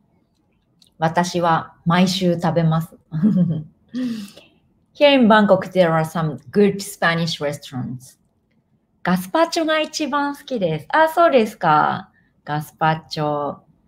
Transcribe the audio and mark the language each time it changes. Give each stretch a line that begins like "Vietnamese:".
Japanese: 私はアヒージョとサルモレッホが好きですね。皆さんは食べますか?スペイン料理。私は毎週食べます。
English: Here in Bangkok, there are some good Spanish restaurants.
Japanese: ガスパチョが一番好きです。あ、そうですか。ガスパチョ。